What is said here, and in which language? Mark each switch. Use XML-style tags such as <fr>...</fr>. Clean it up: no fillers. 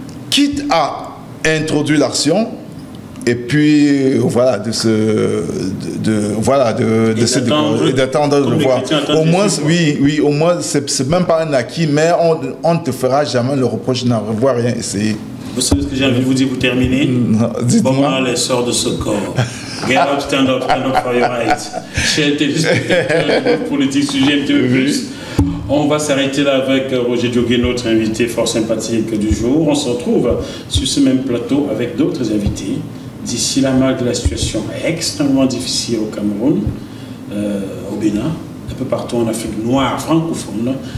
<fr>Quitte à introduire l'action et puis voilà d'attendre de voir. Au moins, oui, au moins c'est même pas un acquis, mais on ne te fera jamais le reproche de n'avoir rien essayé. Vous savez ce que j'ai envie de vous dire pour terminer? Dites-moi. Bon, allez, sors de ce corps.</fr> <en>Get up, stand up, stand up for your rights.</en> <fr>J'ai été juste pour le petit sujet un petit peu plus. On va s'arrêter là avec Roger Diogé, notre invité fort sympathique du jour. On se retrouve sur ce même plateau avec d'autres invités. D'ici là, malgré la situation extrêmement difficile au Cameroun, au Bénin, un peu partout en Afrique noire, francophone.</fr>